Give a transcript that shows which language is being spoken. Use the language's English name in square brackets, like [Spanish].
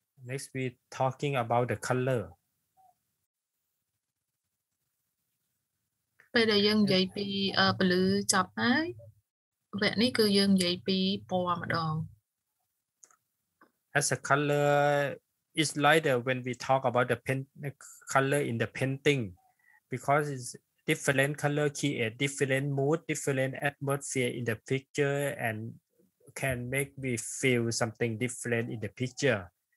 [English] Next, we're talking about the color. [Khmer] ពេលដែលយើងនិយាយពីពន្លឺចប់ហើយវគ្គនេះគឺយើងនិយាយពីពណ៌ម្ដង [English] As a color, it's lighter when we talk about the color in the painting because it'sDifferent color create different mood, different atmosphere in the picture and can make me feel something different in the picture.